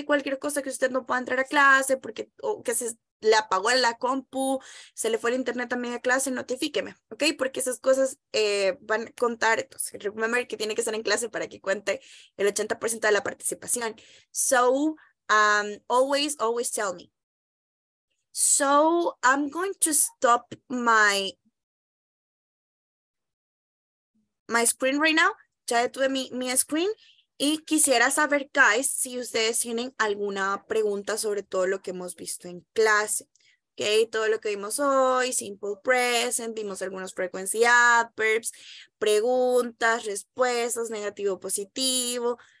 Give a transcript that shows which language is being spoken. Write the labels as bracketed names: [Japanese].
[Spanish] Cualquier cosa que usted no pueda entrar a clase porque o que se le apagó la compu, se le fue el internet a media clase, notifíqueme, ¿ok? Porque esas cosas van a contar, entonces, remember que tiene que estar en clase para que cuente el 80% de la participación. [English] So, always, always tell me. So, I'm going to stop my screen right now. [Spanish] Ya detuve mi screen. Y quisiera saber, guys, si ustedes tienen alguna pregunta sobre todo lo que hemos visto en clase. Ok, todo lo que vimos hoy, simple present, vimos algunos frequency adverbs, preguntas, respuestas, negativo, positivo.